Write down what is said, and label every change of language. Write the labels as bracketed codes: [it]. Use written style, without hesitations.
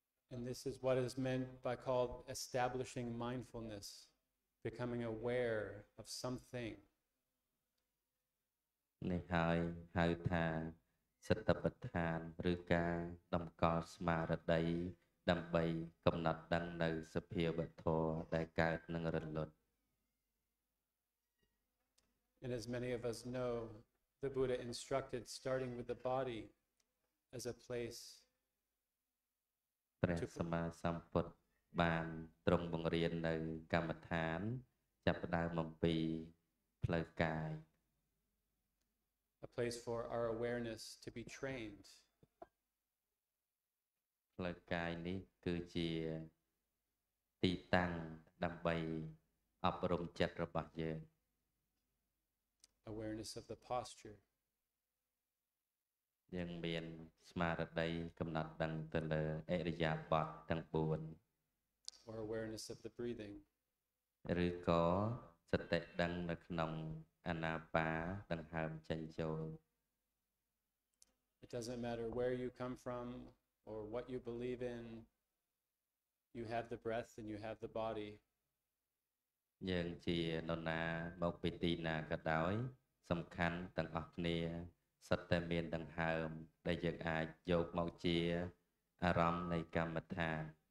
[en] And this is what is meant by called establishing mindfulness, becoming aware of something. [km] នេះហើយហៅថាសតបដ្ឋានឬការតម្កល់ស្មារតីដើម្បីកំណត់ដឹងនៅសភាវធម៌ដែលកើតនិងរលត់ [en] And as many of us know, the Buddha instructed starting with the body as a place [km] ព្រះសម្មាសម្ពុទ្ធបានទ្រង់បង្រៀននៅកម្មដ្ឋានចាប់ផ្ដើមអំពីផ្លូវកាយ [en] A place for our awareness to be trained. [km] ផ្លូវកាយនេះគឺជាទីតាំងដើម្បីអប់រំចិត្តរបស់យើង [en] Awareness of the posture. [km] យើងមានស្មារតីកំណត់ដឹងទៅលើឥរិយាបថទាំង [en] 4 Or awareness of the breathing. [km] ឬក៏សតិដឹងនៅក្នុងអនាបាដង្ហើមចេញចូល [en] It doesn't matter where you come from or what you believe in. You have the breath and you have the body. [km] យើងជានរណាមកពីទីណាក៏ដោយសំខាន់ទាំងអស់គ្នាសតិមានដង្ហើមដែលយើងអាចយកមកជាអារម្មណ៍នៃកម្មដ្ឋាន